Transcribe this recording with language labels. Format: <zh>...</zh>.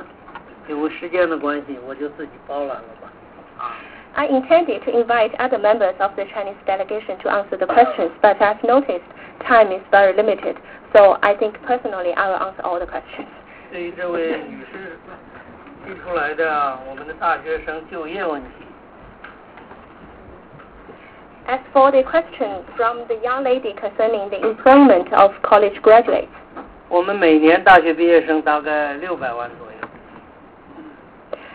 <zh>那么他们的合作也是非常重要的，尤其是南非的开发银行对于为我们的地方政府提供各种经济发展的资源是非常重要的。我也想听一听中方代表团对此合作的意见和看法。好，谢谢先生啊。由于时间的关系，本来我是想请我们其他团员来回答各位的这个提问，由于时间的关系，我就自己包揽了吧。</zh> <en>I intended to invite other members of the Chinese delegation to answer the questions, but I've noticed time is very limited, so I think personally I will answer all the questions.</en> <zh>对于这位女士提出来的我们的大学生就业问题。</zh> <en>As for the question from the young lady concerning the employment of college graduates,</en> <zh>我们每年大学毕业生大概600万左右。</zh>